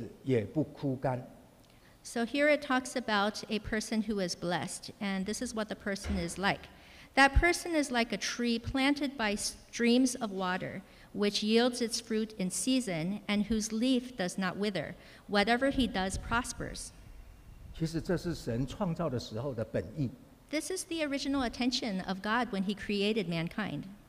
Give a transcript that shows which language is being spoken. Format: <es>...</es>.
<zh>他要像一棵树，一个真正幸福的人，他要像一棵树，栽在溪水旁，按时候结果子，他的叶子也不枯干。</zh> <en>So here it talks about a person who is blessed, and this is what the person is like. That person is like a tree planted by streams of water, which yields its fruit in season, and whose leaf does not wither. Whatever he does prospers.</en> <zh>其实这是神创造的时候的本意。</zh> <en>This is the original intention of God when he created mankind.</en>